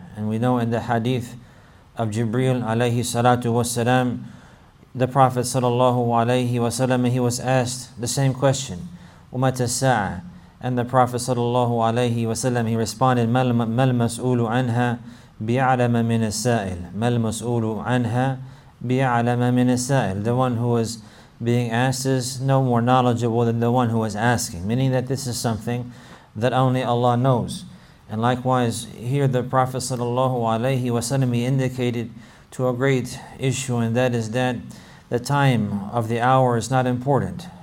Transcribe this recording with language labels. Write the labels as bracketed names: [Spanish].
[English] And we know in the hadith of Jibreel alayhi salatu wa salam, the Prophet sallallahu alayhi wa sallam, he was asked the same question, [Arabic] ومتى الساعة؟ [English] And the Prophet [Arabic] صلى الله عليه وسلم, [English] he responded, [Arabic] ما المسؤول عنها بيعلم من السائل. ما المسؤول عنها بيعلم من السائل. [English] The one who is being asked is no more knowledgeable than the one who is asking, meaning that this is something that only Allah knows. And likewise, here the Prophet [Arabic] صلى الله عليه وسلم, [English] he indicated to a great issue, and that is that the time of the hour is not important.